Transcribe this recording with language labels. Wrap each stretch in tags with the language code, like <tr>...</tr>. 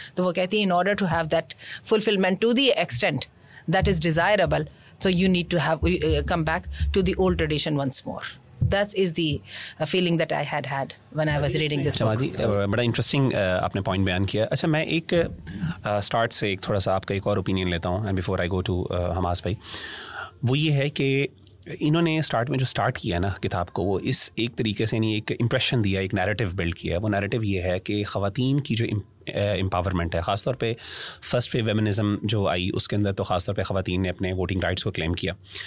<hi>तो वो कहती है</hi> <en>In order to have that fulfilment to the extent that is desirable, so you need to have come back to the old tradition once more. That is the feeling that I had had when I was reading this book.</en> <hi>बड़ा interesting आपने point बयान किया. अच्छा मैं एक start से एक थोड़ा सा आपका एक और opinion लेता हूँ</hi> <en>and before I go to</en> <hi>Hamas भाई, वो ये है कि इन्होंने start में जो start किया ना किताब को, वो इस एक तरीके से नहीं एक impression दिया, एक narrative build किया. वो narrative ये है कि ख़वातीन की जो empowerment है, ख़ासतौर पर first wave feminism जो आई उसके अंदर तो ख़ासतौर पर ख़वातीन ने अपने वोटिंग राइट्स को क्लेम किया.</hi>